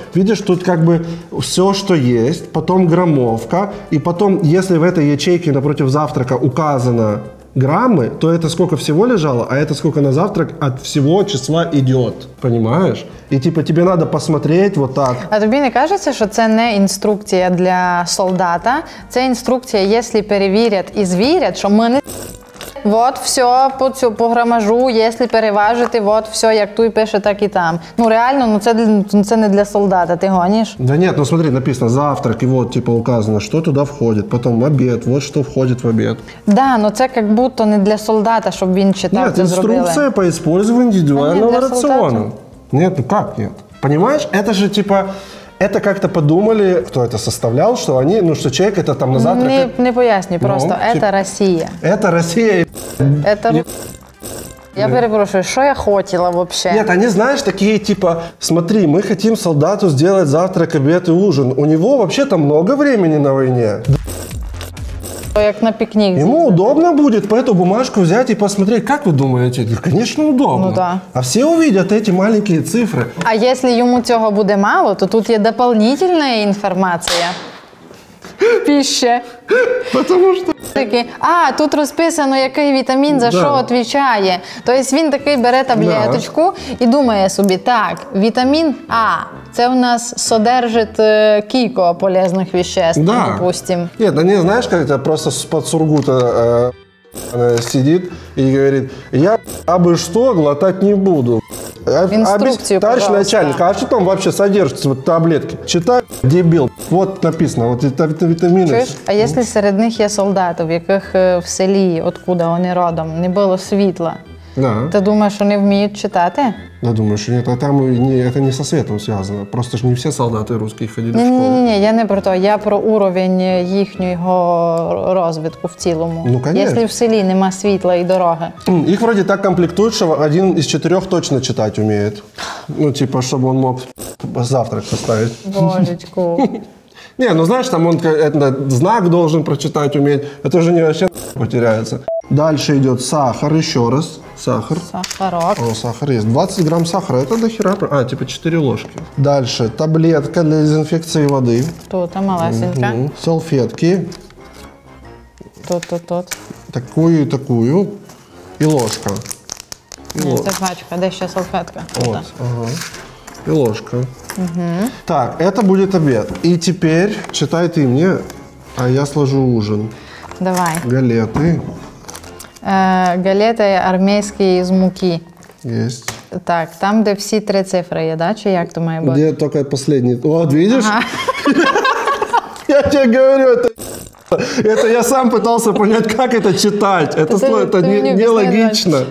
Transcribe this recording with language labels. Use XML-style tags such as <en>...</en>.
<ru>Видишь, тут как бы все, что есть, потом граммовка, и потом, если в этой ячейке напротив завтрака указано граммы, то это сколько всего лежало, а это сколько на завтрак от всего числа идет. Понимаешь? И типа тебе надо посмотреть вот так. А тебе не кажется, что это не инструкция для солдата? Это инструкция, если проверят и зверят, что мы не</ru> <uk>вот все по цю по грамажу, если переважити, вот все, як ту і пише, так і там. Ну реально, ну це не для солдата, ти гониш.</uk> <ru>Да нет, ну смотри, написано завтрак,</ru> <uk>і вот типа указано, що туди входить, потім обід, вот що входить в обід. Да, ну це як будто не для солдата, щоб він читав, це зробили. Нет, інструкція по використанню індивідуального раціону.</uk> <ru>Нет, ну как нет? Понимаешь, это же типа, это как-то подумали, кто это составлял, что они, ну что человек это там на завтрак... Не, не поясни, просто ну, это типа, Россия. Это Россия. Это...</ru> <uk>Я перепрошую,</uk> <ru>что я хотела вообще? Нет, они, знаешь, такие типа, смотри, мы хотим солдату сделать завтрак, обед и ужин. У него вообще-то много времени на войне. Как на пикник. Ему удобно будет по эту бумажку взять и посмотреть. Как вы думаете? Конечно, удобно. Ну, да. А все увидят эти маленькие цифры. А если ему этого будет мало, то тут есть дополнительная информация. Пища. Потому что...</ru> <uk>Такий, а, тут розписано, який вітамін за що відповідає. Тобто він такий бере таблеточку і думає собі, так, вітамін А, це у нас содержить кілька полезних веществ, допустим.</uk> <ru>Ні, да не, знаєш, як це просто з-під сургута сидит и говорит, я абы что глотать не буду. Инструкцию, товарищ начальник, а что там вообще содержится, вот таблетки? Читай, дебил, вот написано, вот это витамины. Чуешь? А если среди них есть солдаты, в яких в селе, откуда они родом, не было светла, ты думаешь, они умеют читать? Я думаю, что нет, а там не, это не со светом связано. Просто ж не все солдаты русские ходили не, в школу. Не, я не про то. Я про уровень их</ru> <uk>розвитку в цілому.</uk> <ru>Ну, конечно. Если в селе</ru> <uk>нема світла</uk> <ru>и дороги. Их вроде так комплектуют, что один из четырех точно читать умеет. Ну, типа, чтобы он мог завтрак составить. Божечку. Не, ну знаешь, там он знак должен прочитать уметь. Это же не вообще потеряется. Дальше идет сахар еще раз. Сахар. Сахарок. О, сахар есть. 20 грамм сахара. Это до хера. А, типа 4 ложки. Дальше. Таблетка для дезинфекции воды. Тут, а малесенька. Угу. Салфетки. Тут, тут, тут. Такую и такую. И ложка. И нет, это пачка. Да еще салфетка. Вот, ага. И ложка. Угу. Так, это будет обед. И теперь читай ты мне, а я сложу ужин. Давай. Галеты.</ru> <uk>Галети армейські з муки.</uk> <ru>Есть. Так, там, де всі три цифри є, да?</ru> <uk>Чи як то має бути? Де тільки останній. От, бачиш?</uk> <ru>Ага. Я тебе говорю, це я сам пытался понять, как это читать. Это слово, это нелогично.</ru>